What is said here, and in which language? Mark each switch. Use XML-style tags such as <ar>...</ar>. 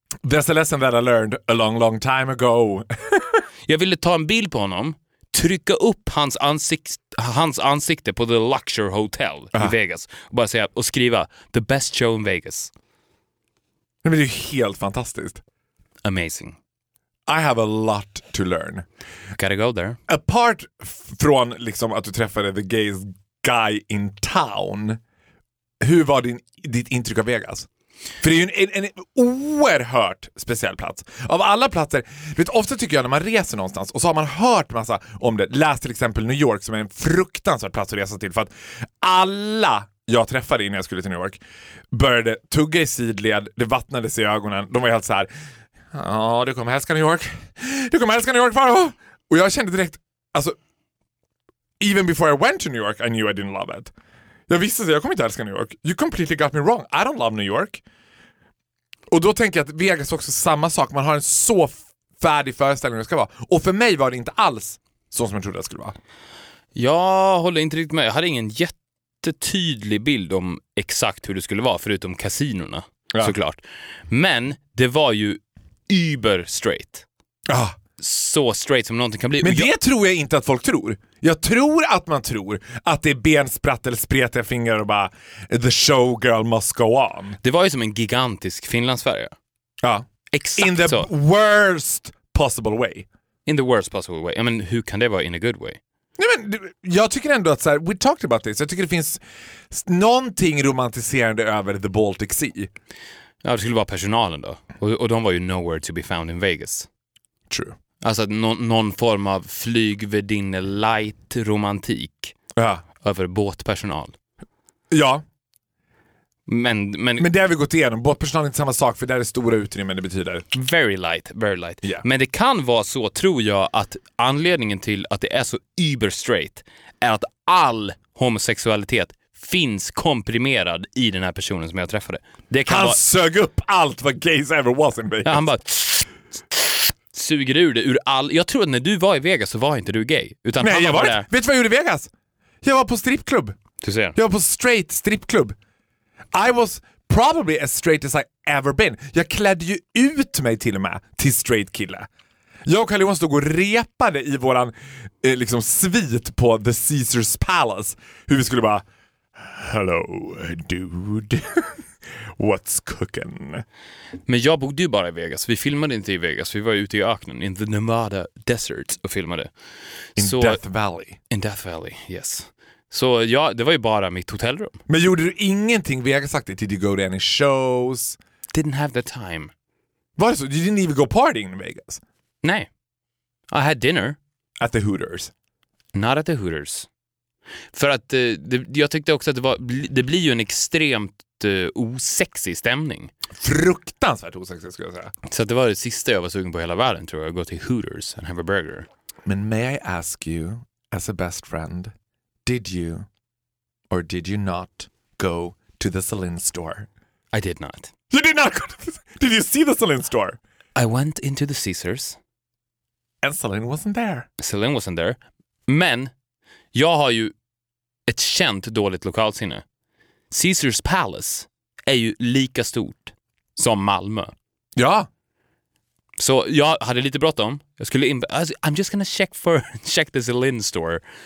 <en>There's a lesson that I learned a long, long time ago.</en> <sv>Jag ville ta en bild på honom, trycka upp hans ansikte på The Luxury Hotel i Vegas och bara säga och skriva</sv> <en>the best show in Vegas.</en> <sv>Men det är ju helt fantastiskt.</sv> <en>Amazing. I have a lot to learn. Gotta go there.</en> <sv>Apart från liksom att du träffade</sv> <en>the gays guy in town.</en> <sv>Hur var ditt intryck av Vegas? För det är ju en oerhört speciell plats. Av alla platser, vet, ofta tycker jag när man reser någonstans och så har man hört massa om det. Läs till exempel New York som är en fruktansvärd plats att resa till. För att alla jag träffade innan jag skulle till New York började tugga i sidled, det vattnades i ögonen. De var helt så här: ja, du kommer älska New York. Du kommer älska New York, faro. Och jag kände direkt, alltså,</sv> <en>even before I went to New York, I knew I didn't love it.</en> <sv>Jag visste att jag kommer inte älska New York.</sv> <en>You completely got me wrong. I don't love New York.</en> <sv>Och då tänker jag att Vegas också samma sak. Man har en så färdig föreställning det ska vara. Och för mig var det inte alls så som jag trodde det skulle vara. Jag håller inte riktigt med. Jag hade ingen jättetydlig bild om exakt hur det skulle vara. Förutom kasinorna, såklart. Men det var ju über straight. Så straight som någonting kan bli. Men det tror jag inte att folk tror. Jag tror att man tror att det är bensprätt eller spretiga fingrar och bara</sv> <en>the showgirl must go on.</en> <sv>Det var ju som en gigantisk Finlandsfärja. Ja. Exakt</sv> <en>in the</en> <sv>så.</sv> <en>Worst possible way. In the worst possible way. I mean,</en> <sv>hur kan det vara</sv> <en>in a good way?</en> <sv>Nej, men jag tycker ändå att så här,</sv> <en>we talked about this.</en> <sv>Jag tycker det finns någonting romantiserande över</sv> <en>the Baltic Sea.</en> <sv>Ja, det skulle vara personalen då. Och de var ju</sv> <en>nowhere to be found in Vegas. True.</en> <sv>Alltså någon form av flygvärdinne light romantik. Ja. Över båtpersonal. Ja. Men det har vi gått igenom. Båtpersonal är inte samma sak, för det är det stora utrymmen det betyder.</sv> <en>Very light, very light. Yeah.</en> <sv>Men det kan vara så, tror jag, att anledningen till att det är så uber straight är att all homosexualitet finns komprimerad i den här personen som jag träffade. Det kan han vara... sög upp allt vad</sv> <en>gays ever was in Vegas.</en> <sv>Ja, han bara suger ur det ur all... Jag tror att när du var i Vegas så var inte du gay. Utan nej, han jag var det. Vet du vad jag gjorde i Vegas? Jag var på strippklubb. Du ser. Jag var på straight strippklubb.</sv> <en>I was probably as straight as I ever been.</en> <sv>Jag klädde ju ut mig till och med till straight kille. Jag och Karl-Johan stod och repade i våran liksom svit på The Caesar's Palace. Hur vi skulle bara,</sv> <en>hello dude, what's cooking?</en> <sv>Men jag bodde ju bara i Vegas. Vi filmade inte i Vegas. Vi var ute i öknen,</sv> <en>in the Nevada desert,</en> <sv>och filmade.</sv> <en>In så, Death Valley. In Death Valley, yes.</en> <sv>Så ja, det var ju bara mitt hotellrum. Men gjorde du ingenting Vegas-aktigt?</sv> <en>Did you go to any shows? Didn't have the time.</en> <sv>Var det så?</sv> <en>You didn't even go partying in Vegas?</en> <sv>Nej.</sv> <en>I had dinner. At the Hooters? Not at the Hooters.</en> <sv>För att jag tyckte också att det blir ju en extremt osexig stämning. Fruktansvärt osexig skulle jag säga. Så att det var det sista jag var sugen på hela världen, tror jag. Gå till Hooters</sv> <en>and have a burger.</en> <sv>Men</sv> <en>may I ask you, as a best friend, did you or did you not go to the Celine store? I did not. You did not go to the... Did you see the Celine store? I went into the Caesars. And Celine wasn't there. Celine wasn't there.</en> <sv>Men jag har ju ett känt dåligt lokalsinne. Caesars Palace är ju lika stort som Malmö. Ja. Så jag hade lite bråttom. Jag skulle in,</sv> <en>I'm just gonna check the Celine store.</en>